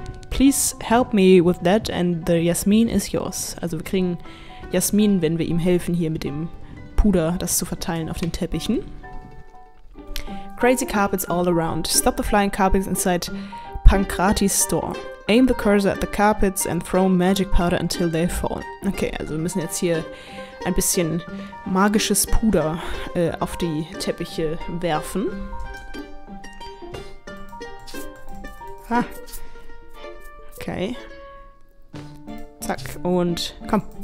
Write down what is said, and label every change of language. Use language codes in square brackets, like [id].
[en] Please help me with that and the Jasmin is yours. [de] Also wir kriegen Jasmin, wenn wir ihm helfen, hier mit dem Puder das zu verteilen auf den Teppichen. [en] Crazy carpets all around. Stop the flying carpets inside Pankratis store. Aim the cursor at the carpets and throw magic powder until they fall. [de] Okay, also wir müssen jetzt hier ein bisschen magisches Puder auf die Teppiche werfen. Ha! Okay. Zack, und komm.